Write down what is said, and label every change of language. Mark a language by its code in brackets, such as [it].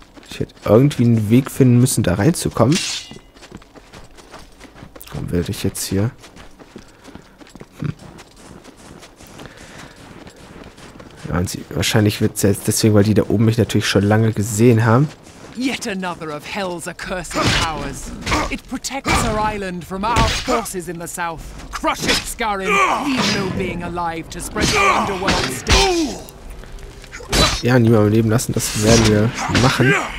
[de] Ich hätte irgendwie einen Weg finden müssen, da reinzukommen. Warum werde ich jetzt hier... Wahrscheinlich wird es jetzt deswegen, weil die da oben mich natürlich schon lange gesehen haben. [en] Yet another of Hell's accursed powers. It protects her island from our forces in the south. Crush it, Skarin. Leave no being alive to spread the underworld's death. [de] Ja, niemand am Leben lassen, das werden wir machen.